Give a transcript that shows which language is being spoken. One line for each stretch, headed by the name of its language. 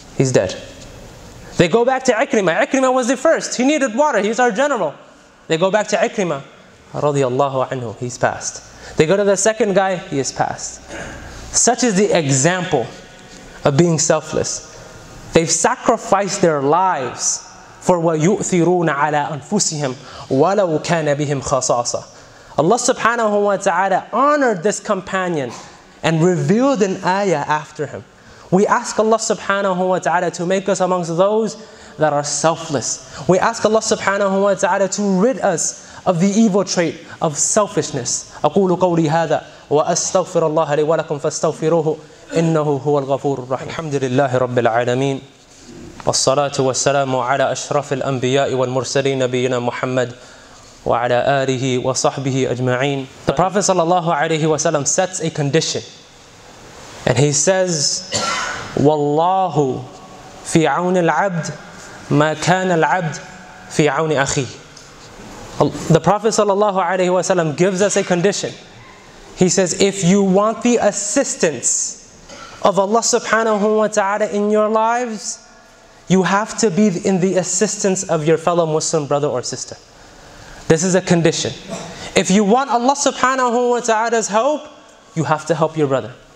English: He's dead. They go back to Ikrimah. Ikrimah was the first. He needed water. He's our general. They go back to Ikrimah. Radiallahu anhu, he's passed. They go to the second guy, he is passed. Such is the example of being selfless. They've sacrificed their lives for what
Arabic: يُؤْثِرُونَ عَلَىٰ أَنفُسِهِمْ وَلَوْ كَانَ بِهِمْ خَصَاصَةً.
English: Allah subhanahu wa ta'ala honored this companion and revealed an ayah after him. We ask Allah subhanahu wa ta'ala to make us amongst those that are selfless. We ask Allah subhanahu wa ta'ala to rid us of the evil trait of selfishness.
Arabic: أقول قولي هذا وأستغفر الله لي ولكم فاستغفروه إنه هو الغفور الرحيم. الحمد لله رب العالمين والصلاة والسلام على أشرف الأنبياء والمرسلين نبينا محمد وعلى آله وصحبه أجمعين.
English: The Prophet
Arabic: صلى الله عليه وسلم
English: sets a condition, and he says,
Arabic: والله في عون العبد ما كان العبد في عون أخيه.
English: The Prophet ﷺ gives us a condition. He says, if you want the assistance of Allah subhanahu wa ta'ala in your lives, you have to be in the assistance of your fellow Muslim brother or sister. This is a condition. If you want Allah subhanahu wa ta'ala's help, you have to help your brother.